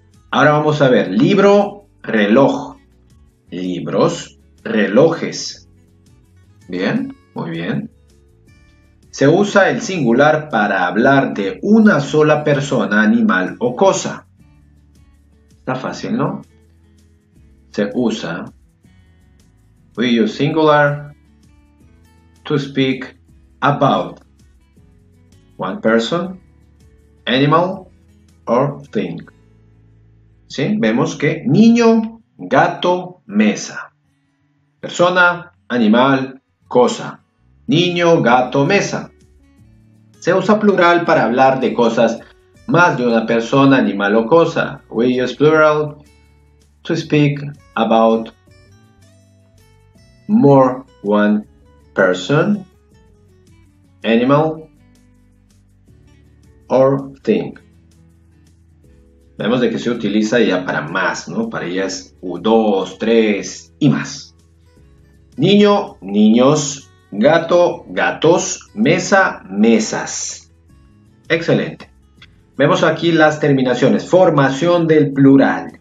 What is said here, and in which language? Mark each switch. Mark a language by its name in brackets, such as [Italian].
[Spanish] Ahora vamos a ver, libro, reloj. Libros, relojes. Bien, muy bien. Se usa el singular para hablar de una sola persona, animal o cosa. Está fácil, ¿no? Se usa, [English] we use singular to speak about one person, animal, or thing. [Spanish] ¿Sí? Vemos que niño, gato, mesa. Persona, animal, cosa. Niño, gato, mesa. Se usa plural para hablar de cosas más de una persona, animal o cosa. [English] We use plural to speak about more one person, animal, or thing. [Spanish] Vemos de que se utiliza ya para más, ¿no? Para ellas, dos, tres y más. Niño, niños, gato, gatos, mesa, mesas. Excelente. Vemos aquí las terminaciones. Formación del plural.